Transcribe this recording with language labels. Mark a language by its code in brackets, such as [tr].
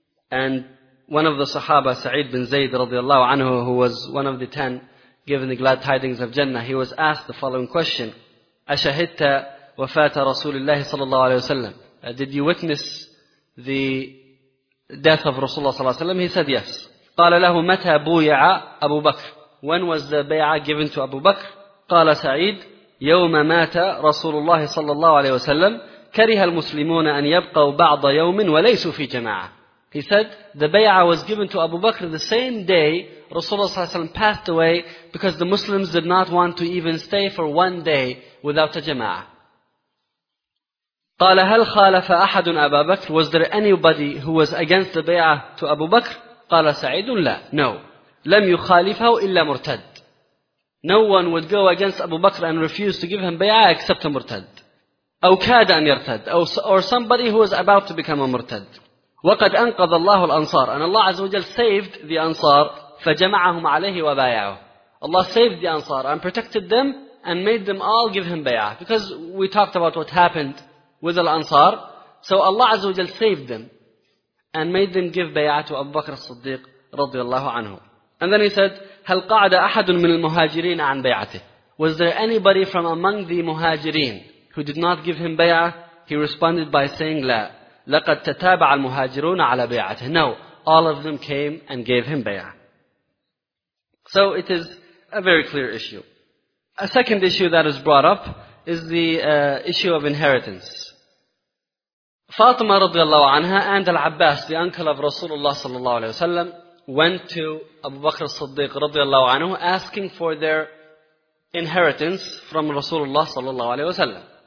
[en] And one of the Sahaba, Sa'id bin Zayd radiallahu anhu, who was one of the 10 given the glad tidings of Jannah, he was asked the following question. [ar] أَشَهِدْتَ وَفَاتَ رَسُولِ اللَّهِ صَلَى اللَّهُ عَلَيْهِ وَسَلَّمَ. [en] Did you witness the death of Rasulullah صلى الله عليه وسلم? He said yes. [ar] قَالَ لَهُ مَتَى بُوِيَعَ أَبُو بَكْر. [en] When was the bay'ah given to Abu Bakr? [ar] قال سعيد يوم مات رسول الله صلى الله عليه وسلم كره المسلمون أن يبقوا بعض يوم وليسوا في جماعة. [en] He said the bay'ah was given to Abu Bakr the same day Rasulullah صلى الله عليه وسلم passed away because the Muslims did not want to even stay for one day without a جماعة. [ar] قال هل خالف أحد أبا بكر? [en] Was there anybody who was against the bay'ah to Abu Bakr? [ar] قال سعيد لا. [en] No. [ar] لم يخالفه إلا مرتد. [en] No one would go against Abu Bakr and refuse to give him bay'ah except a murtad. [ar] أو كاد أن يرتد. [en] Or somebody who is about to become a murtad. [ar] وَقَدْ أَنْقَضَ اللَّهُ الْأَنصَارِ. [en] And Allah Azza wa Jal saved the Ansar, [ar] فَجَمَعَهُمْ عَلَيْهِ وَبَايَعُهُ. [en] Allah saved the Ansar and protected them and made them all give him bay'ah. Because we talked about what happened with Al-Ansar. So Allah Azza wa Jal saved them and made them give bay'ah to Abu Bakr as-Siddiq رضي الله عنه. And then he said, [ar] هل قعد أحد من المهاجرين عن بيعته? [en] Was there anybody from among the مهاجرين who did not give him bay'ah? He responded by saying, لا. [ar] لقد تتابع المهاجرون على بيعته. [en] No. All of them came and gave him bay'ah. So it is a very clear issue. A second issue that is brought up is the issue of inheritance. Fatima رضي الله عنها and Al-Abbas, the uncle of Rasulullah صلى الله عليه وسلم, went to Abu Bakr as-Siddiq radiallahu anhu asking for their inheritance from Rasulullah sallallahu alayhi wa sallam.